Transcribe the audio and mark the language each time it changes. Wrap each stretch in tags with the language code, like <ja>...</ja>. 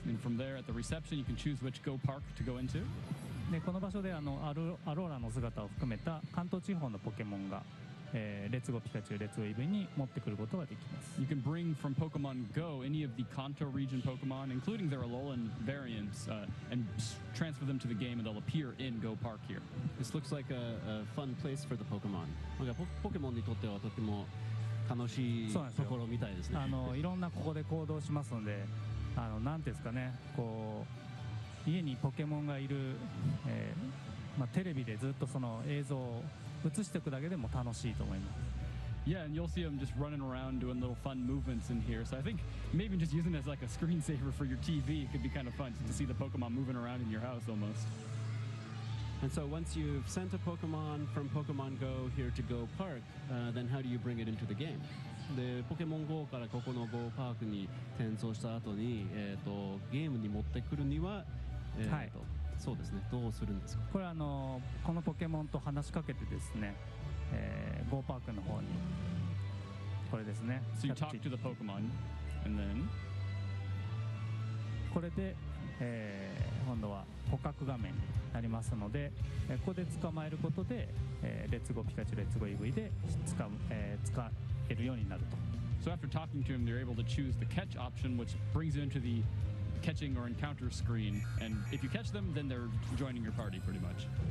<en>And from there, at the reception, you can choose which Go Park to go into.</en> <ja>で、この場所であのアローラの姿を含めた関東地方のポケモンが、レッツゴピカチュウ、レッツゴイブイに持ってくることができます。</ja> <en>You can bring from Pokemon Go any of the Kanto region Pokemon, including their Alolan variants, and transfer them to the game, and they'll appear in Go Park here. This looks like a fun place for the Pokemon.</en> <ja>なんかポケモンにとってはとても楽しいところみたいですね。あのいろんなここで行動しますので、あのなんですかね、こう家にポケモンがいる、まあ、テレビでずっとその映像を映しておくだけでも楽しいと思います。</ja> <en>Yeah, and you'll see them just running around doing little fun movements in here. So I think maybe just using it as like a screensaver for your TV could be kind of fun, just to see the Pokemon moving around in your house almost. And so once you've sent a Pokemon from Pokemon Go here to Go Park, then how do you bring it into the game?</en> <ja>で、Pokemon Go からここの Go Park に転送した後に、ゲームに持ってくるには、はい、そうですね、どうするんですか？これあの、このポケモンと話しかけてですね、Go Park の方にこれですね。</ja> <en>So you talk to the Pokemon, and then</en> <ja>これで、今度は捕獲画面になりますので、ここで捕まえることで、レッツゴーピカチュウ、レッツゴーイブイで使えるようになると。</ja> <en>So after talking to him, they're able to choose the catch option, which brings it into the catching or encounter screen. And if you catch them, then they're joining your party, pretty much.</en>